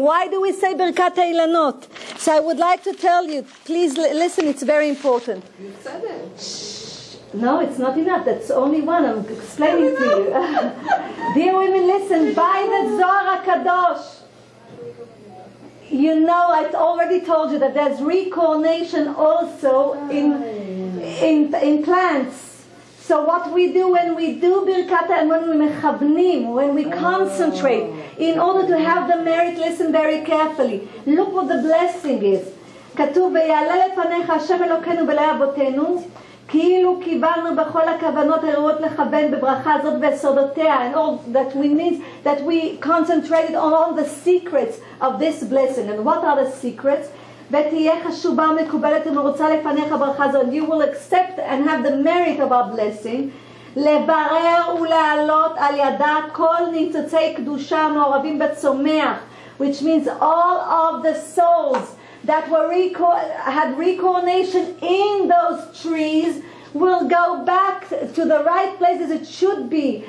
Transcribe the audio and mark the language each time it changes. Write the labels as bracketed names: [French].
[English] Why do we say ברכת האילנות? So I would like to tell you, please listen, it's very important. You said it. No, it's not enough. That's only one. I'm explaining to you. Dear women, listen. By the Zohar HaKadosh. You know, I already told you that there's reincarnation also in plants. So what we do when we do birkat and when we mechavnim, when we concentrate, in order to have the merit, listen very carefully. Look what the blessing is. [Hebrew] כתוב ויעלה לפניך השם אלוקינו בלי אבותינו, כאילו קיבלנו בכל הכוונות הראות לכוון בברכה הזאת וסודותיה. [English] And all that we need, that we concentrated on all the secrets of this blessing. And what are the secrets? [Hebrew] ותהיה חשובה מקובלת ומרוצה לפניך ברכה זו. [English] You will accept and have the merit of our blessing. [Hebrew] לברר ולעלות על ידה כל ניצוצי קדושה מעורבים בצומח, [English] which means all of the souls that were had reincarnation in those trees will go back to the right places it should be.